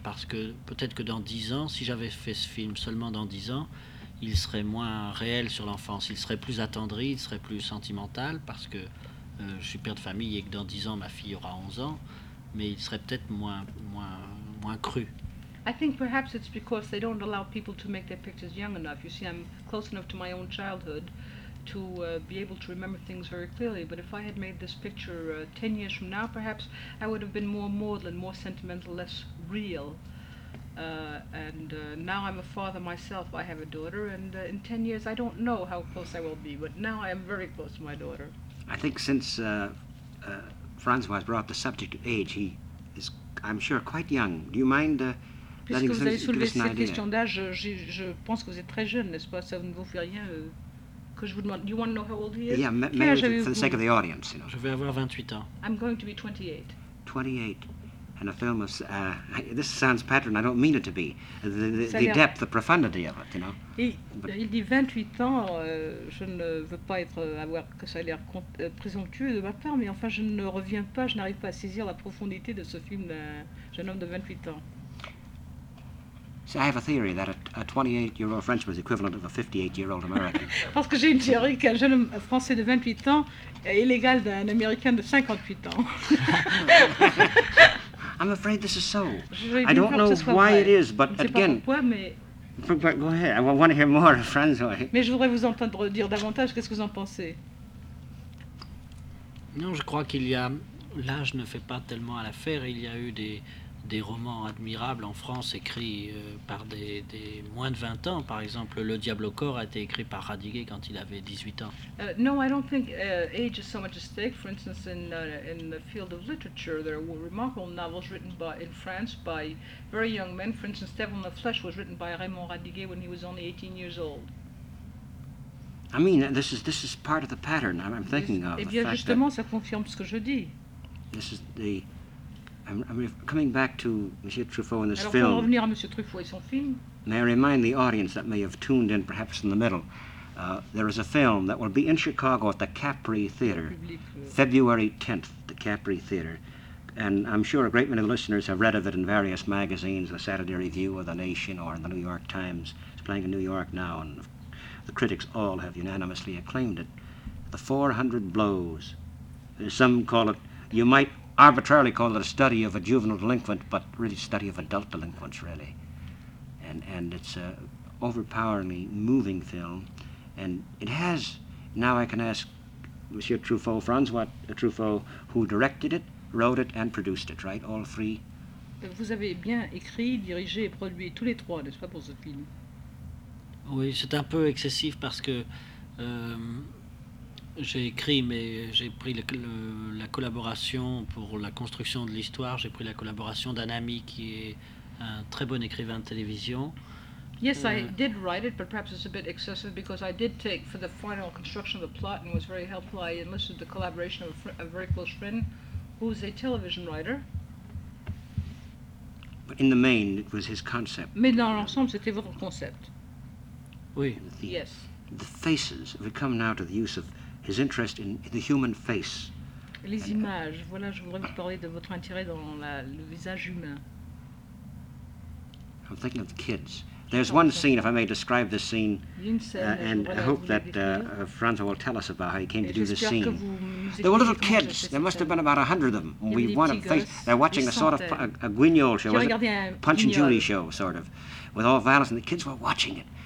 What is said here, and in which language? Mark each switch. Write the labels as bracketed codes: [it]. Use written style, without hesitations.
[fr] Parce que peut-être que dans 10 ans, si j'avais fait ce film seulement dans 10 ans, il serait moins réel sur l'enfance, il serait plus attendri, il serait plus sentimental, parce que... je suis père de famille et que dans 10 ans ma fille aura 11 ans, mais il serait peut-être moins cru. [en] I think perhaps it's because they don't allow people to make their pictures young enough. You see, I'm close enough to my own childhood to be able to remember things very clearly, but if I had made this picture 10 years from now, perhaps I would have been more maudlin, more sentimental, less real. And now I'm a father myself. I have a daughter, and in 10 years I don't know how close I will be, but now I am very close to my daughter. I think since Francois brought the subject of age, he is, I'm sure, quite young. Do you mind letting us give us an idea? [fr] Puisque vous avez soulevé cette question d'âge, je pense que vous êtes très jeune, n'est-ce pas? Ça ne vous fait rien que je vous demande. [en] Do you want to know how old he is? Yeah, for the sake of the audience, you know. [fr] Je vais avoir 28 ans. [en] I'm going to be 28. 28. And a film of this sounds patron. I don't mean it to be the depth, the profundity of it, you know. [fr] Il dit 28 ans. Je ne veux pas être avoir que ça a l'air présomptueux de ma part, mais enfin, je ne reviens pas. Je n'arrive pas à saisir la profondité de ce film d'un jeune homme de 28 ans. [en] So I have a theory that a 28-year-old Frenchman is equivalent of a 58-year-old American. [fr] Parce que j'ai une théorie qu'un jeune Français de 28 ans est l'égal d'un Américain de 58 ans. [en] I'm afraid this is so. I don't know why it is, but again, but go ahead. I want to hear more of Francois. [fr] Mais je voudrais vous entendre dire davantage. Qu'est-ce que vous en pensez? Non, je crois qu'il y a l'âge ne fait pas tellement à l'affaire. Il y a eu des romans admirables en France écrits par des moins de 20 ans. Par exemple, Le Diable au corps a été écrit par Radiguet quand il avait 18 ans. [en] No, I don't think age is so much a stake. For instance, in the field of literature, there were remarkable novels written in France by very young men. For instance, Devil in the Flesh was written by Raymond Radiguet when he was only 18 years old. I mean, this is part of the pattern I'm thinking of. [fr] Et bien justement, ça confirme ce que je dis. [en] This is the... I'm coming back to Monsieur Truffaut and this [fr] Alors, [en] film. [fr] Pour revenir à Monsieur Truffaut et son film. [en] May I remind the audience that may have tuned in perhaps in the middle, there is a film that will be in Chicago at the Capri Theater, February 10th, the Capri Theater. And I'm sure a great many listeners have read of it in various magazines, the Saturday Review or The Nation or in the New York Times. So playing in New York now, and the critics all have unanimously acclaimed it. The 400 Blows. Some call it, you might arbitrarily call it a study of a juvenile delinquent, but really study of adult delinquents, really. And it's a overpoweringly moving film. And it has, now I can ask Monsieur Truffaut, Francois Truffaut, who directed it, wrote it, and produced it, right? All three? [fr] Vous avez bien écrit, dirigé et produit tous les trois, n'est-ce pas, pour ce film? Oui, c'est un peu excessif parce que j'ai écrit, mais j'ai pris la collaboration pour la construction de l'histoire, j'ai pris la collaboration d'un ami qui est un très bon écrivain de télévision. [en] Yes, I did write it, but perhaps it's a bit excessive because I did take for the final construction of the plot and was very helpful. I enlisted the collaboration of a very close friend who's a television writer. But in the main, it was his concept. [fr] Mais dans l'ensemble, c'était votre concept. Oui. [en] Yes. The faces, we come now to the use of his interest in the human face. [fr] Les images, voilà, je voudrais vous parler de votre intérêt dans le visage humain. [en] I'm thinking of the kids. There's one scene, if I may describe this scene, and I hope that Francois will tell us about how he came to do this scene. There were little kids. There must have been about 100 of them. We wanted face. They're watching a sort of a Guignol show, Punch and Judy show, sort of, with all violence, and the kids were watching it.